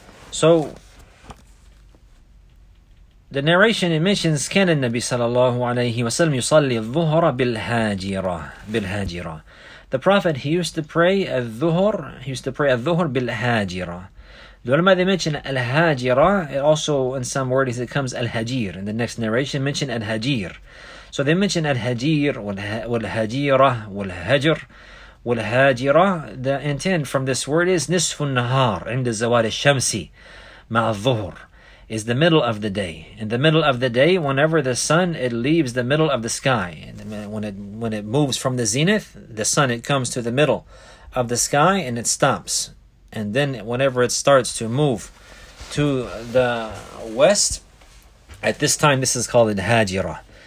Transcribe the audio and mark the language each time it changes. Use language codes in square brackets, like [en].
[en] So the narration, it mentions [ar] كان النبي صلى الله عليه وسلم يصلي الظهر بالهاجرة. [en] The Prophet, he used to pray الظهر, بالهاجرة. The ulama, they mention الهاجرة, it also in some words it comes الهجير. In the next narration mention الهجير. So they mention [ar] الهجير والهجيرة والهجر والهاجرة. [en] The intent from this word is [ar] نصف النهار عند زوال الشمس مع الظهر. [en] Is the middle of the day. In the middle of the day, whenever the sun, it leaves the middle of the sky. When it moves from the zenith, the sun, it comes to the middle of the sky and it stops. And then whenever it starts to move to the west, at this time, this is called Hajira.